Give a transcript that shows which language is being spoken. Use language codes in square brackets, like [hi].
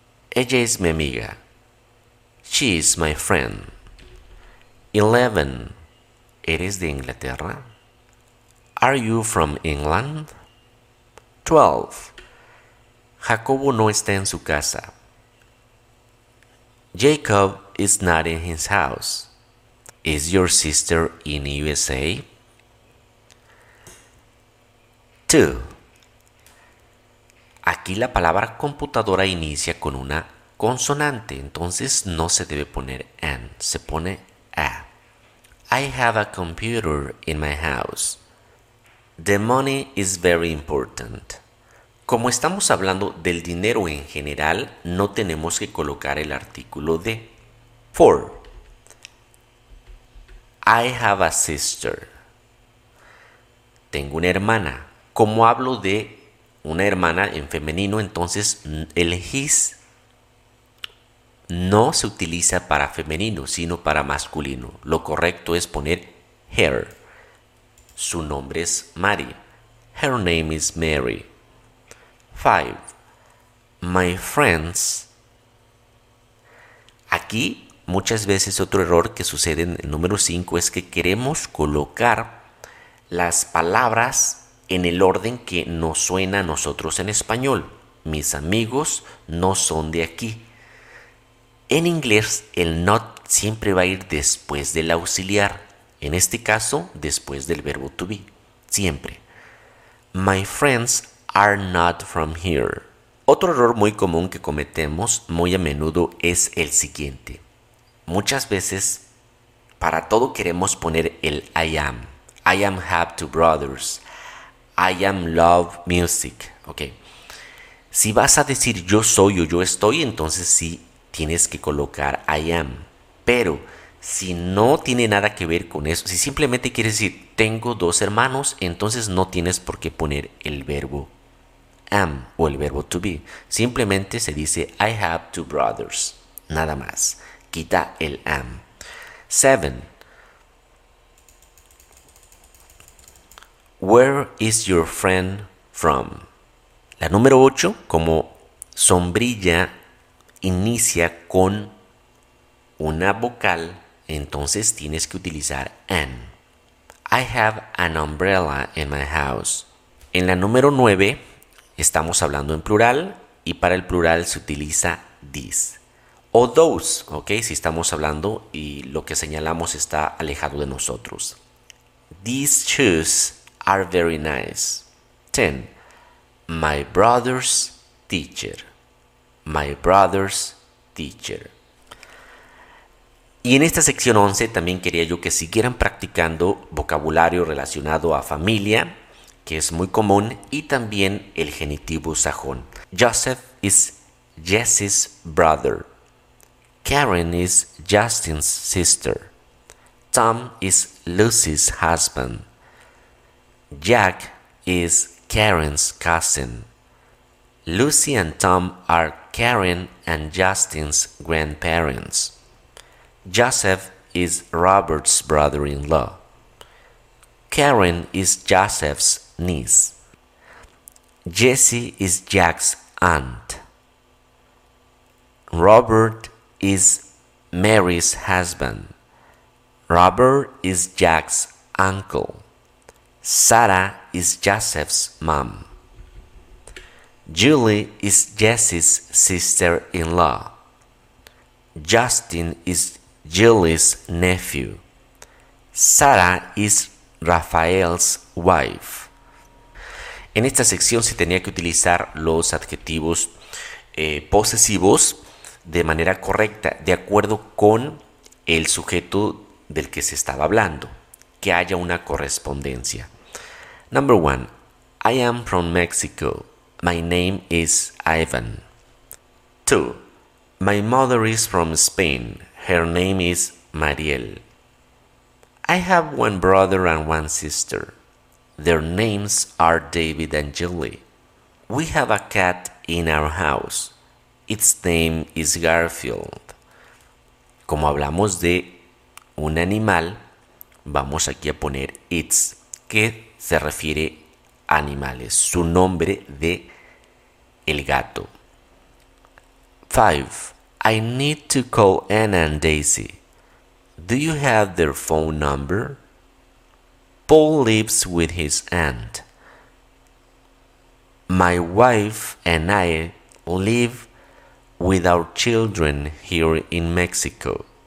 [es] Ella es mi amiga. [en] She is my friend. [es] 11. ¿Eres de Inglaterra? [en] Are you from England? 12. [es] Jacobo no está en su casa. [en] Jacob is not in his house. Is your sister in USA? 2. [es] Aquí la palabra computadora inicia con una consonante, entonces no se debe poner an, se pone a. [en] I have a computer in my house. The money is very important. [es] Como estamos hablando del dinero en general, no tenemos que colocar el artículo de. 4. [en] I have a sister. [es] Tengo una hermana. Como hablo de una hermana en femenino, entonces el his no se utiliza para femenino, sino para masculino. Lo correcto es poner her. Su nombre es Mary. [en] Her name is Mary. [es] 5. [en] My friends. [es] Aquí muchas veces otro error que sucede en el número 5 es que queremos colocar las palabras en el orden que nos suena a nosotros en español. Mis amigos no son de aquí. En inglés el not siempre va a ir después del auxiliar. En este caso, después del verbo to be. Siempre. [en] My friends are not from here. [es] Otro error muy común que cometemos muy a menudo es el siguiente. Muchas veces, para todo queremos poner el I am. [en] I am have two brothers. I am love music. Okay. [es] Si vas a decir yo soy o yo estoy, entonces sí tienes que colocar I am. Pero si no tiene nada que ver con eso, si simplemente quieres decir tengo dos hermanos, entonces no tienes por qué poner el verbo am o el verbo to be. Simplemente se dice [en] I have two brothers. [es] Nada más. Quita el am. 7. [en] Where is your friend from? [es] La número 8, como sombrilla, inicia con una vocal, entonces tienes que utilizar an. [en] I have an umbrella in my house. [es] En la número 9, estamos hablando en plural y para el plural se utiliza this. O those, ok, si estamos hablando y lo que señalamos está alejado de nosotros. [en] These shoes are very nice. 10. My brother's teacher. My brother's teacher. [es] Y en esta sección 11 también quería yo que siguieran practicando vocabulario relacionado a familia, que es muy común, y también el genitivo sajón. [en] Joseph is Jesse's brother. Karen is Justin's sister. Tom is Lucy's husband. Jack is Karen's cousin. Lucy and Tom are Karen and Justin's grandparents. Joseph is Robert's brother-in-law. Karen is Joseph's niece. Jesse is Jack's aunt. Robert is Mary's husband. Robert is Jack's uncle. Sarah is Joseph's mom. Julie is Jesse's sister-in-law. Justin is Julie's nephew. Sarah is Rafael's wife. [es] En esta sección se tenía que utilizar los adjetivos posesivos de manera correcta, de acuerdo con el sujeto del que se estaba hablando, que haya una correspondencia. [en] Number one, I am from Mexico. My name is Ivan. 2. My mother is from Spain. Her name is Mariel. I have one brother and one sister. Their names are David and Julie. We have a cat in our house. Its name is Garfield. [es] Como hablamos de un animal, vamos aquí a poner its, que se refiere a animales, su nombre de el gato. 5. [en] I need to call Anna and Daisy. Do you have their phone number? Paul lives with his aunt. My wife and I live with our children here in Mexico.